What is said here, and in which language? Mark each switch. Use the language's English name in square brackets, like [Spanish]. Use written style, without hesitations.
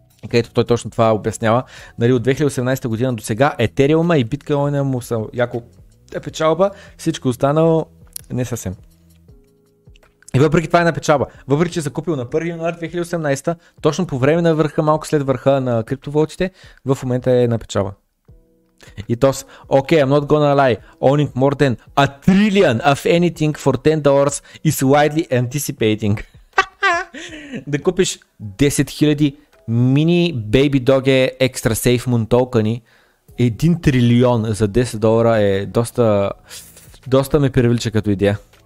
[Bulgarian] Където той точно това обяснява. Нали, от 2018 година до сега Етериума и биткоина му са яко печалба, всичко останало не съвсем. И въпреки това е на печалба. Въпреки че е закупил на 1 януари 2018, точно по време на върха, малко след върха на криптовалутите, в момента е на печалба. И тос, [English] okay, I'm not gonna lie, owning more than a trillion of anything for $10 is widely anticipating. [Bulgarian] Да купиш 10 000 mini baby doge extra safe moon токени, 1 трилион за $10 е доста, доста ме привлича като идея.